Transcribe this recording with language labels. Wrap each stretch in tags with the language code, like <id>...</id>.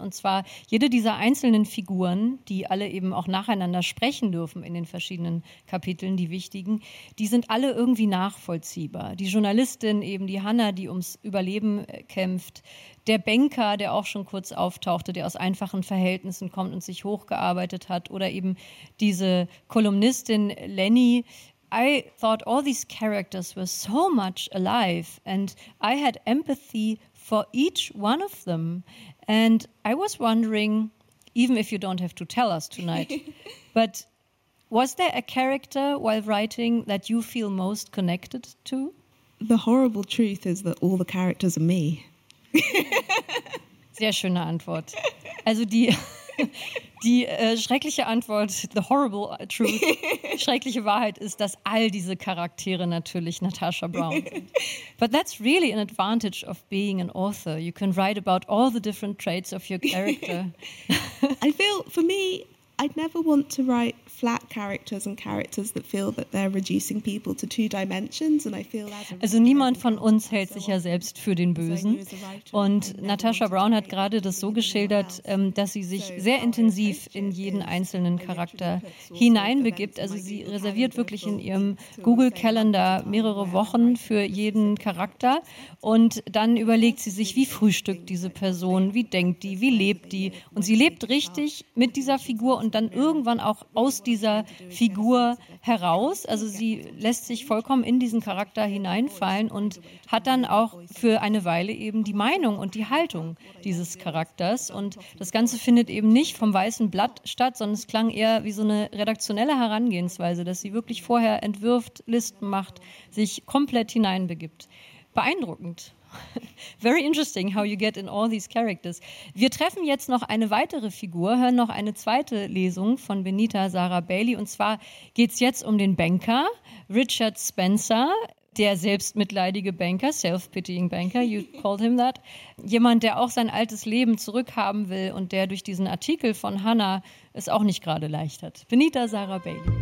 <de>Und zwar jede dieser einzelnen Figuren, die alle eben auch nacheinander sprechen dürfen in den verschiedenen Kapiteln, die wichtigen, die sind alle irgendwie nachvollziehbar. Die Journalistin, eben die Hannah, die ums Überleben kämpft. Der Banker, der auch schon kurz auftauchte, der aus einfachen Verhältnissen kommt und sich hochgearbeitet hat. Oder eben diese Kolumnistin Lenny.</de> <en>I thought all these characters were so much alive and I had empathy for each one of them. And I was wondering, even if you don't have to tell us tonight, but was there a character while writing that you feel most connected to? The horrible truth is that all the characters are me.</en> <de>Sehr schöne Antwort. Also schreckliche Antwort,</de> <en>the horrible truth,</en> <de>schreckliche Wahrheit ist, dass all diese Charaktere natürlich Natasha Brown sind.</de> <en>But that's really an advantage of being an author. You can write about all the different traits of your character. I feel, for me, I'd never want to write flat characters and characters that feel that they're reducing people to two dimensions. And I feel as a writer,</en> <de>also niemand von uns hält sich ja selbst für den Bösen. Und Natasha Brown hat gerade das so geschildert, dass sie sich sehr intensiv in jeden einzelnen Charakter hineinbegibt. Also sie reserviert wirklich in ihrem Google-Kalender mehrere Wochen für jeden Charakter. Und dann überlegt sie sich, wie frühstückt diese Person, wie denkt die, wie lebt die. Und sie lebt richtig mit dieser Figur und dann irgendwann auch aus dieser Figur heraus. Also sie lässt sich vollkommen in diesen Charakter hineinfallen und hat dann auch für eine Weile eben die Meinung und die Haltung dieses Charakters. Und das Ganze findet eben nicht vom weißen Blatt statt, sondern es klang eher wie so eine redaktionelle Herangehensweise, dass sie wirklich vorher entwirft, Listen macht, sich komplett hineinbegibt. Beeindruckend.</de> <en>Very interesting how you get in all these characters.</en> <de>Wir treffen jetzt noch eine weitere Figur, hören noch eine zweite Lesung von Benita Sarah Bailey. Und zwar geht es jetzt um den Banker Richard Spencer. der selbstmitleidige Banker,</de> <en>self-pitying Banker, you called him that,</en> <de>jemand, der auch sein altes Leben zurückhaben will und der durch diesen Artikel von Hannah es auch nicht gerade leicht hat. Benita Sarah Bailey.</de>